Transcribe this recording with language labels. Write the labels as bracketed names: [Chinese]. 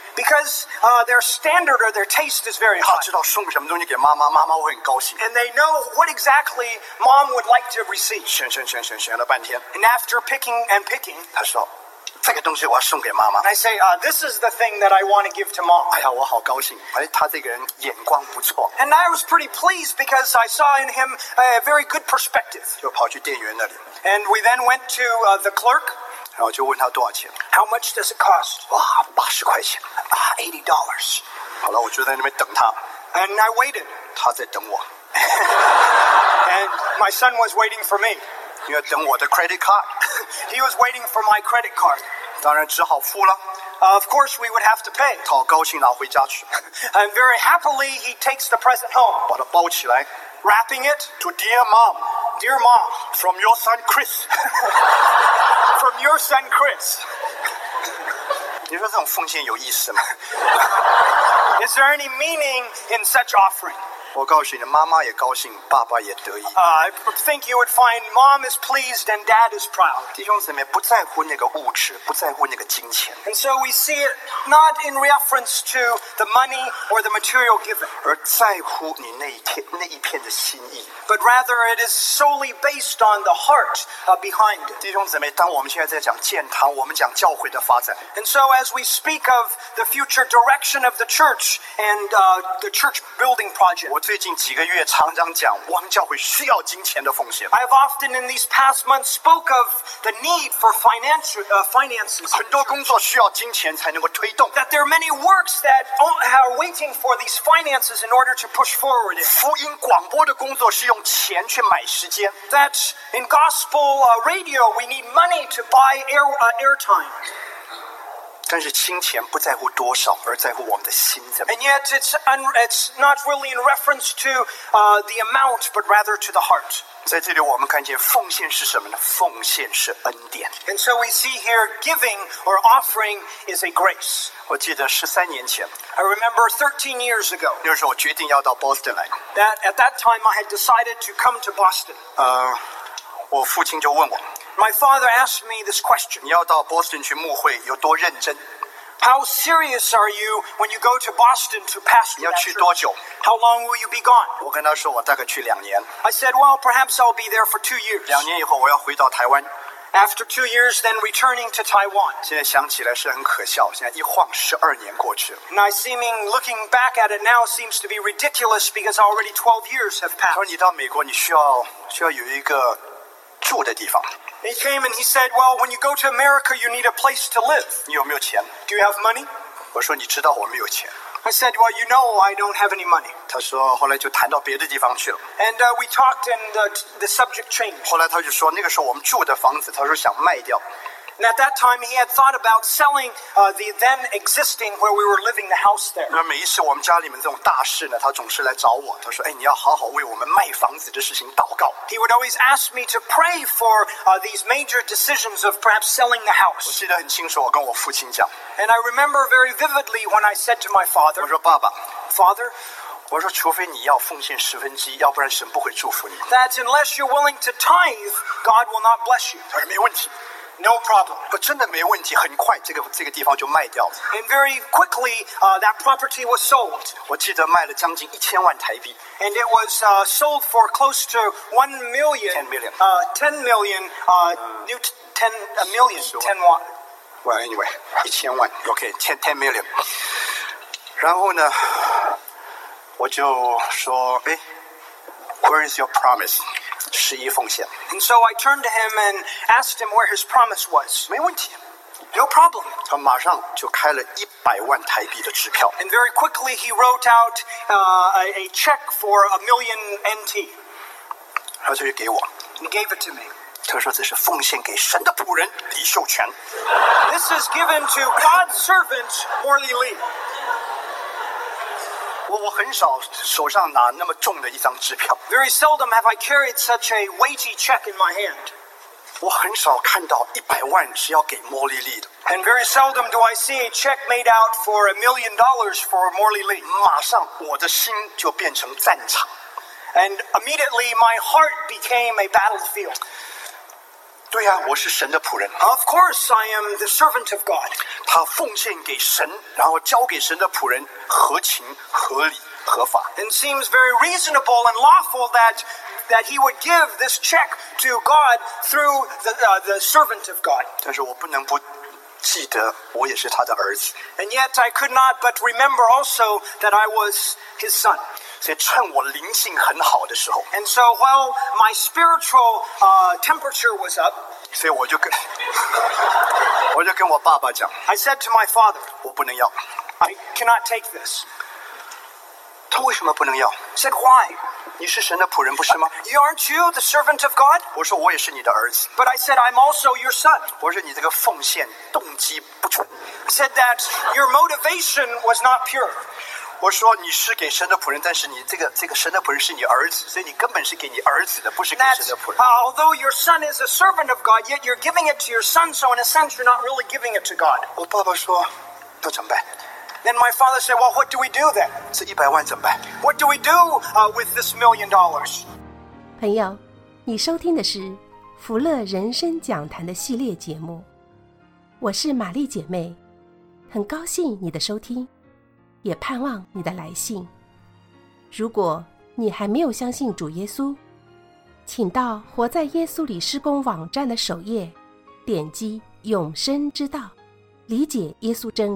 [English] Because their standard or their taste is very high. [Chinese] 他知道送什么东西给妈妈，妈妈会很高兴。 [English] And they know what exactly mom would like to receive. [Chinese] 选了半天。 [English] And after picking and picking, [Chinese] 他说这个东西我要送给妈妈。 [English] And I say, this is the thing that I want to give to mom. [Chinese] 哎呀，我好高兴！哎，他这个人眼光不错。 [English] And I was pretty pleased because I saw in him a very good perspective. [Chinese] 就跑去店员那里。 [English] And we then went to the clerk. [Chinese] 然后就问他多少钱。 [English] How much does it cost? [Chinese] 哇，$80。 $80。好了，我就在那边等他。 [English] And I waited. [Chinese] 他在等我。 [English] And my son was waiting for me. [Chinese] 要等我的 credit card. [English] He was waiting for my credit card. [Chinese] 当然只好付了。 [English] Of course, we would have to pay. [Chinese] 他高兴拿回家去。 [English] And very happily, he takes the present home. [Chinese] 把它包起来。 [English] Wrapping it. To dear mom. Dear mom. From your son Chris. From your son Chris. [Chinese] 你说这种奉献有意思吗？ [English] Is there any meaning in such offering? [Chinese] 我告诉你，妈妈也高兴，爸爸也得意。 [English] I think you would find mom is pleased and dad is proud. [Chinese] 弟兄姊妹，不在乎那个物质，不在乎那个金钱。 [English] And so we see it not in reference to the money or the material given. [Chinese] 而在乎你那一片的心意。 [English] But rather it is solely based on the heart behind it. [Chinese] 弟兄姊妹，当我们现在在讲建堂，我们讲教会的发展。 [English] And so as we speak of the future direction of the church and the church building project. [Chinese] 我最近几个月常常讲，我们教会需要金钱的奉献。 [English] I've often in these past months spoke of the need for finances. [Chinese] 很多工作需要金钱才能够推动。 [English] That there are many works that are waiting for these finances in order to push forward. [Chinese] 福音广播的工作是用钱去买时间。 [English] That in gospel radio we need money to buy airtime. [Chinese] 但是金钱不在乎多少，而在乎我们的心怎么。 [English] And yet it's not really in reference to the amount, but rather to the heart. [Chinese] 在这里我们看见奉献是什么呢？奉献是恩典。 [English] And so we see here giving or offering is a grace. [Chinese] 我记得十三年前。 [English] I remember 13 years ago. [Chinese] 那时候我决定要到 Boston 来。 [English] That at that time I had decided to come to Boston. [Chinese] 我父亲就问我。 [English] My father asked me this question. [Chinese] 你要到 Boston 去牧会有多认真？ [English] How serious are you when you go to Boston to pastor? [Chinese] 你要去多久？ [English] How long will you be gone? [Chinese] 我跟他说我大概去两年。 [English] I said, well, perhaps I'll be there for 2 years. [Chinese] 两年以后我要回到台湾。 [English] After 2 years, then returning to Taiwan. [Chinese] 现在想起来是很可笑，现在一晃十二年过去了。 [English] And I seeming looking back at it now seems to be ridiculous because already 12 years have passed. [Chinese] 说你到美国你需要有一个住的地方。 [English] He came and he said, well, when you go to America, you need a place to live. [Chinese] 你有没有钱？ [English] Do you have money? [Chinese] 我说你知道我没有钱。 [English] I said, well, you know I don't have any money. [Chinese] 他说后来就谈到别的地方去了。 [English] And we talked and the subject changed. [Chinese] 后来他就说那个时候我们住的房子他说想卖掉。 [English] And at that time, he had thought about selling the then existing where we were living, the house there. [Chinese] 那每一次我们家里面这种大事呢，他总是来找我。他说：“哎，你要好好为我们卖房子的事情祷告。” [English] He would always ask me to pray for these major decisions of perhaps selling the house. [Chinese] 我记得很清楚，我跟我父亲讲。 [English] And I remember very vividly when I said to my father, [Chinese] 我说爸爸 [English] Father. [Chinese] 我说除非你要奉献十分之一要不然神不会祝福你。 [English] That unless you're willing to tithe, God will not bless you. [Chinese] 他说没问题。 [English] No problem. [Chinese] 可真的没问题，很快这个地方就卖掉了。 [English] And very quickly, that property was sold. [Chinese] 我记得卖了将近1,000,000 台币。 [English] And it was sold for close to 1 million. 10 million. 10 million. New ten a million. Ten one. Well, anyway, 1,000,000. Okay, ten million. [Chinese] 然后呢，我就说，哎 ， [English] Where is your promise? [Chinese] 十一奉献。 [English] And so I turned to him and asked him where his promise was. [Chinese] 没问题。 [English] No problem. [Chinese] 他马上就开了100,000台币的支票。 [English] And very quickly he wrote out a check for NT$1,000,000. [Chinese] 他就给我。 [English] He gave it to me. [Chinese] 他说这是奉献给神的仆人李秀全。 [English] This is given to God's servant, Morley Lee. [Chinese] 我很少手上拿那么重的一张支票。 [English] Very seldom have I carried such a weighty check in my hand. [Chinese] 我很少看到100万是要给莫莉莉的。 [English] And very seldom do I see a check made out for $1,000,000 for Morley Lee. [Chinese] 马上我的心就变成战场。 [English] And immediately my heart became a battlefield. [Chinese] 对啊，我是神的仆人。 [English] Of course, I am the servant of God. [Chinese] 他奉献给神，然后交给神的仆人，合情、合理、合法。 [English] It seems very reasonable and lawful that he would give this check to God through the servant of God. [Chinese] 但是我不能不记得，我也是他的儿子。 [English] And yet I could not but remember also that I was his son. [Chinese] 在趁我灵性很好的时候 [English] ，and so while my spiritual temperature was up， [Chinese] 所以我就跟我爸爸讲 [English] ，I said to my father， [Chinese] 我不能要 [English] ，I cannot take this。 [Chinese] 他为什么不能要 [English] ？Said why？ [Chinese] 你是神的仆人不是吗 [English] ？You aren't you the servant of God？ [Chinese] 我说我也是你的儿子 [English] ，But I said I'm also your son。 [Chinese] 我说你这个奉献动机不纯 [English] ，I said that your motivation was not pure。 [Chinese] 我说你是给神的仆人，但是你这个神的仆人是你儿子，所以你根本是给你儿子的，不是给神的仆人。 [English] Although your son is a servant of God, yet you're giving it to your son, so in a sense, you're not really giving it to God. [Chinese] 我爸爸说，那怎么办 [English] ？Then my father said, "Well, what do we do then?" [Chinese] 这100万怎么办 [English] ？What do we do with this $1,000,000? [Chinese] 朋友，你收听的是福乐人生讲坛的系列节目，我是玛丽姐妹，很高兴你的收听。也盼望你的来信。如果你还没有相信主耶稣，请到活在耶稣里施工网站的首页，点击永生之道，理解耶稣真理，今天就相信主耶稣，